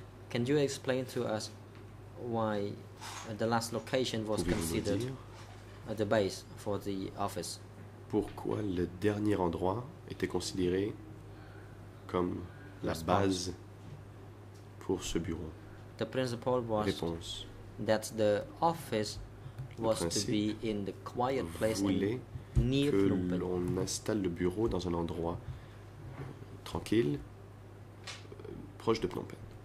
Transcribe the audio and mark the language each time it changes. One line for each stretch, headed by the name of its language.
English: Can you explain to us why the last location was considered the base for the office?
French: Pourquoi le dernier endroit était considéré comme la base pour ce bureau?
English: The principle was
French: réponse.
English: That the office was to be in the quiet place near Phnom Penh.
French: Que l'on installe le bureau dans un endroit tranquille, proche de Phnom Penh.